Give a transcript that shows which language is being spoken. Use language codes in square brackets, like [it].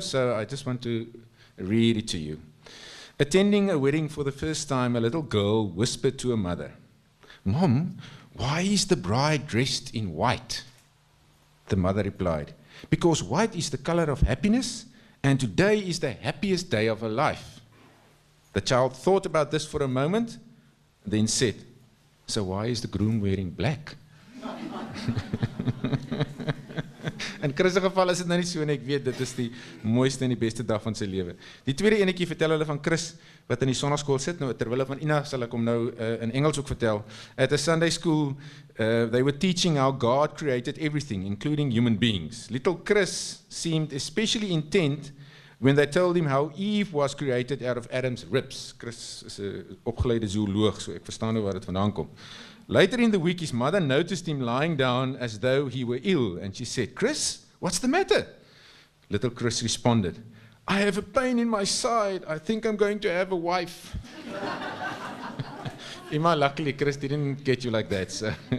[en] So I just want to read it to you. Attending a wedding for the first time, a little girl whispered to her mother, "Mom, why is the bride dressed in white?" The mother replied, "Because white is the color of happiness, and today is the happiest day of her life." The child thought about this for a moment, then said, "So why is the groom wearing black?" [af] In Chris' geval is dit nou nie so en ek weet dit is die mooiste en die beste dag van sy lewe. Die tweede enetjie vertel hulle van Chris wat in die sonnaskool sit. Nou terwyl van Ina sal ek hom nou in Engels ook vertel. [en] At a Sunday school, they were teaching how God created everything, including human beings. Little Chris seemed especially intent when they told him how Eve was created out of Adam's ribs. [af] Chris is 'n opgeleide zooloog, so ek verstaan nou waar dit vandaan kom. [en] Later in the week, his mother noticed him lying down as though he were ill, and she said, "Chris, what's the matter?" Little Chris responded, "I have a pain in my side. I think I'm going to have a wife." Ima, luckily, Chris didn't get you like that. So.